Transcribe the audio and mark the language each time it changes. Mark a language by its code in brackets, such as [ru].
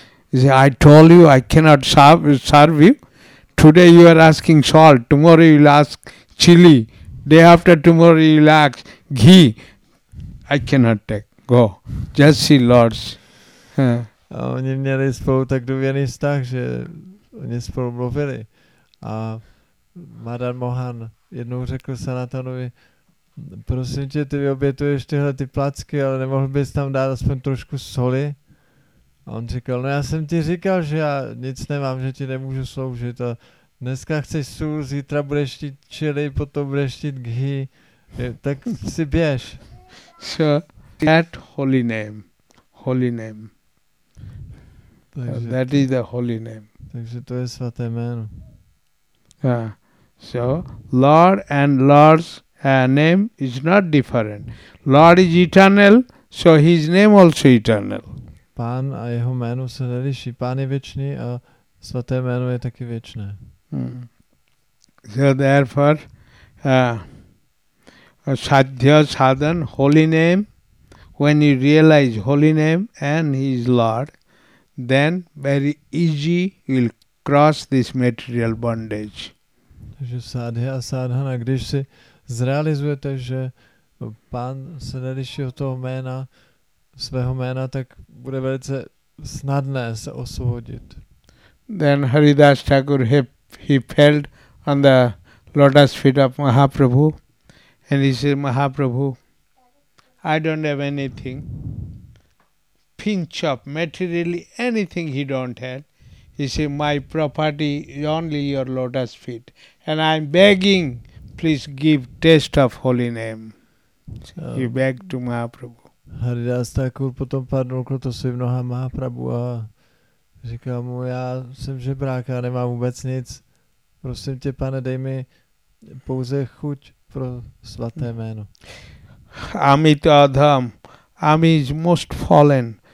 [en] He said, I told you I cannot serve you. Today you are asking salt, tomorrow you will ask chili, day after tomorrow you will ask ghee. I cannot take, go. Just see Lord's. [cs] A oni měli spolu tak důvěrný vztah, že oni spolu mluvili. A Madan Mohan jednou řekl Sanatanovi, prosím tě, ty obětuješ tyhle ty placky, ale nemohl bys tam dát aspoň trošku soli? A on říkal, no já jsem ti říkal, že já nic nemám, že ti nemůžu sloužit. A dneska chceš sůl, zítra budeš štít chili, potom budeš štít ghi, tak si běž. [en] So, that holy name. Holy name. [cs] Takže [en] that is the holy name. [cs] Takže to je svaté jméno. [en] Yeah. So, Lord and Lord's name is not different. Lord is eternal, so His name also eternal. [cs] Pán a jeho jméno se neliší. Pán je věčný a svaté jméno je taky věčné. [en] So therefore, sadhya sadhan, holy name, when you realize holy name and He is Lord, then very easy will cross this material bondage. [cs] Takže sadhya sadhana, když si zrealizujete, že Pán se neliší od toho jména, svého jména, tak bude velice snadné se osvobodit. [en] Then Haridas Thakur, he fell on the lotus feet of Mahaprabhu and he said, Mahaprabhu, I don't have anything, pinch of materially anything he don't have. He said, my property is only your lotus feet and I'm begging, please give taste of holy name. He begged to Mahaprabhu. [cs] Haridas Thakur potom padnul k lotosovým nohám Mahaprabhu a říkal mu, já jsem žebrák, já nemám vůbec nic. Prosím tě, pane, dej mi pouze chuť pro svaté jméno. [bn] Amit Adham, Ami [en] is most fallen.